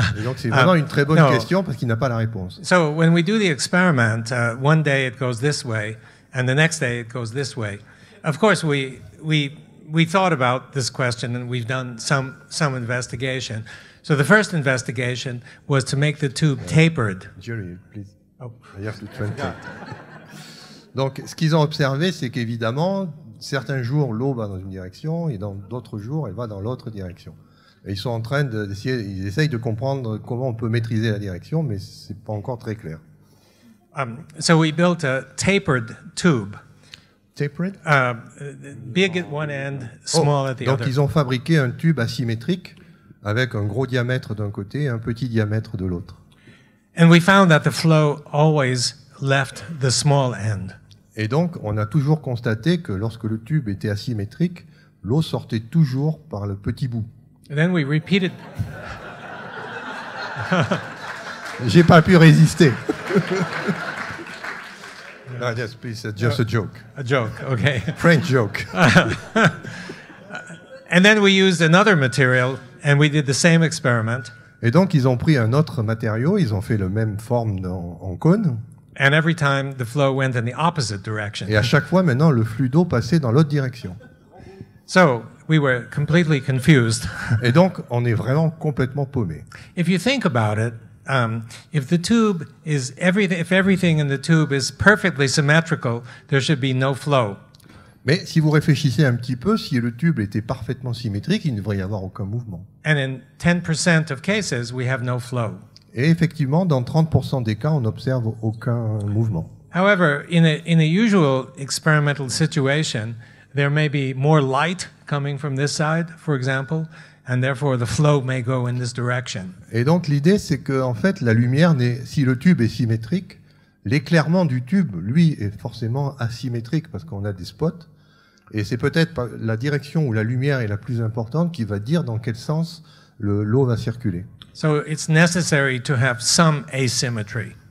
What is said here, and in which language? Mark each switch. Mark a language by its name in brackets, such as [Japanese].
[French] Et donc, c'est vraiment une très bonne question parce qu'il n'a pas la réponse. [English] So, when we do the experiment, one day it goes this way, and the next day it goes this way. Of course, we thought about this question, and we've done some investigation. So, the first investigation was to make the tube tapered. Jerry, please. Oh. I have to 20. [French] Donc, ce qu'ils ont observé, c'est qu'évidemment, certains jours, l'eau va dans une direction, et dans d'autres jours, elle va dans l'autre direction. Et ils sont en train d'essayer, ils essayent de comprendre comment on peut maîtriser la direction, mais ce n'est pas encore très clair. [English] So we built a tapered tube. Tapered? Big at one end, small at the [French] other. Donc ils ont fabriqué un tube asymétrique, avec un gros diamètre d'un côté et un petit diamètre de l'autre. [English] And we found that the flow always left the small end. [French] Et donc, on a toujours constaté que lorsque le tube était asymétrique, l'eau sortait toujours par le petit bout. [English] And then we repeated. [French] J'ai pas pu résister. [English] No, yes, please, just a joke. A joke, okay. French joke. And then we used another material and we did the same experiment. [French] Et donc ils ont pris un autre matériau, ils ont fait le même forme en cône. [English] And every time the flow went in the opposite direction. [French] Et à chaque fois maintenant le flux d'eau passait dans l'autre direction. [English] So we were completely confused. [French] Et donc, on est vraiment complètement paumé. [English] If you think about it, if the tube is everything, if everything in the tube is perfectly symmetrical, there should be no flow. [French] Mais si vous réfléchissez un petit peu, si le tube était parfaitement symétrique, il ne devrait y avoir aucun mouvement. [English] And in 10% of cases, we have no flow. [French] Et effectivement, dans 30% des cas, on n'observe aucun mouvement. [English] However, in a usual experimental situation, there may be more light coming from this side, for example, and therefore the flow may go in this direction. [French] Et donc l'idée, c'est que en fait, la lumière n'est, si le tube est symétrique, l'éclairement du tube, lui, est forcément asymétrique parce qu'on a des spots. Et c'est peut-être la direction où la lumière est la plus importante qui va dire dans quel sens l'eau va circuler. [English] So it's necessary to have some asymmetry.